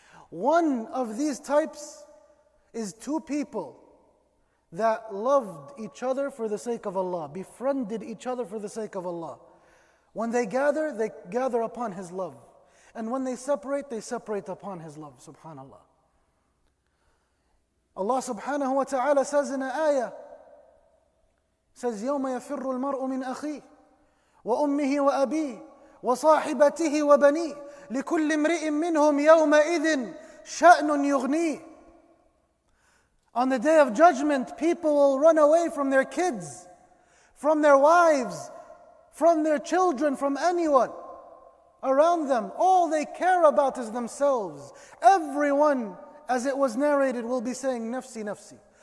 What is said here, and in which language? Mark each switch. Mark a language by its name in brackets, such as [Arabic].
[English] One of these types is two people that loved each other for the sake of Allah, befriended each other for the sake of Allah. When they gather upon his love. And when they separate upon his love, subhanallah. Allah subhanahu wa ta'ala says in an ayah, says, [Arabic] يَوْمَ يَفِرُّ الْمَرْءُ مِنْ أَخِيهِ وَأُمِّهِ وَأَبِيهِ وَصَاحِبَتِهِ وَبَنِيهِ لِكُلِّ امْرِئٍ مِّنْهُمْ يَوْمَئِذٍ شَأْنٌ يُغْنِيهِ. [English] On the Day of Judgment, people will run away from their kids, from their wives, from their children, from anyone around them. All they care about is themselves. Everyone, as it was narrated, will be saying, nafsi, nafsi.